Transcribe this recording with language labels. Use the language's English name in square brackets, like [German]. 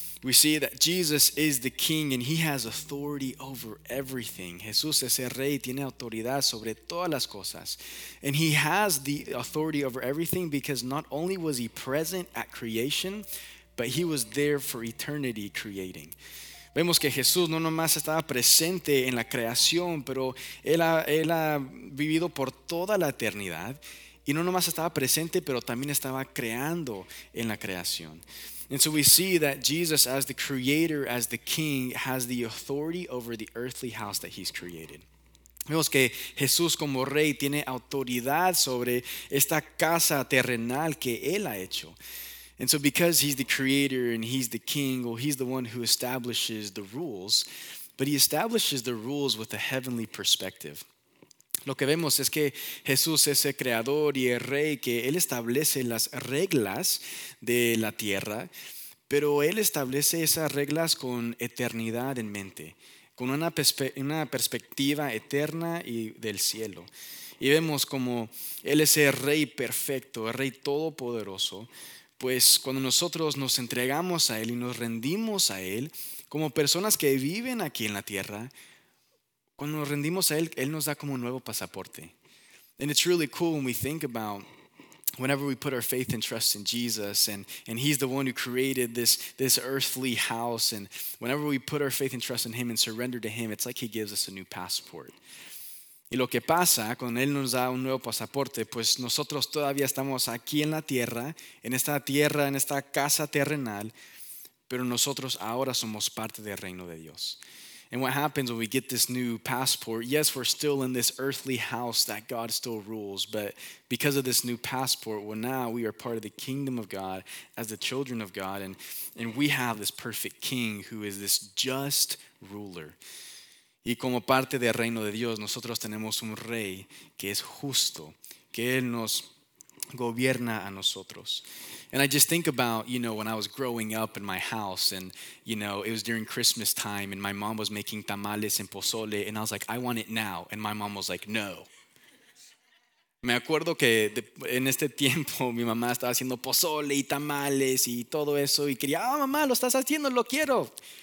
[English] We see that Jesus is the king and he has authority over everything. [Spanish] Jesús es el rey, tiene autoridad sobre todas las cosas. [English] And he has the authority over everything because not only was he present at creation, but he was there for eternity creating. [Spanish] Vemos que Jesús no nomás estaba presente en la creación, pero él ha vivido por toda la eternidad. Y no nomás estaba presente, pero también estaba creando en la creación. [English] And so we see that Jesus as the creator, as the king, has the authority over the earthly house that he's created. [Spanish] Vemos que Jesús como rey tiene autoridad sobre esta casa terrenal que él ha hecho. [English] And so because he's the creator and he's the king, well, he's the one who establishes the rules, but he establishes the rules with a heavenly perspective. [Spanish] Lo que vemos es que Jesús es el creador y el rey, que él establece las reglas de la tierra, pero él establece esas reglas con eternidad en mente, con una perspectiva eterna y del cielo. Y vemos como él es el rey perfecto, el rey todopoderoso, pues cuando nosotros nos entregamos a él y nos rendimos a él, como personas que viven aquí en la tierra, cuando nos rendimos a él, él nos da como un nuevo pasaporte. [English] And it's really cool when we think about whenever we put our faith and trust in Jesus, and he's the one who created this earthly house, and whenever we put our faith and trust in him and surrender to him, it's like he gives us a new passport. [Spanish] Y lo que pasa cuando él nos da un nuevo pasaporte, pues nosotros todavía estamos aquí en la tierra, en esta casa terrenal, pero nosotros ahora somos parte del reino de Dios. [English] And what happens when we get this new passport? Yes, we're still in this earthly house that God still rules, but because of this new passport, well, now we are part of the kingdom of God as the children of God, and we have this perfect king who is this just ruler. [Spanish] Y como parte del reino de Dios, nosotros tenemos un rey que es justo, que él nos gobierna a nosotros. [English] And I just think about, you know, when I was growing up in my house, and, you know, it was during Christmas time, and my mom was making tamales and pozole, and I was like, I want it now. And my mom was like, no. [Spanish] Me acuerdo que en este tiempo mi mamá estaba haciendo pozole y tamales y todo eso, y quería, ah, oh, mamá, lo estás haciendo, lo quiero.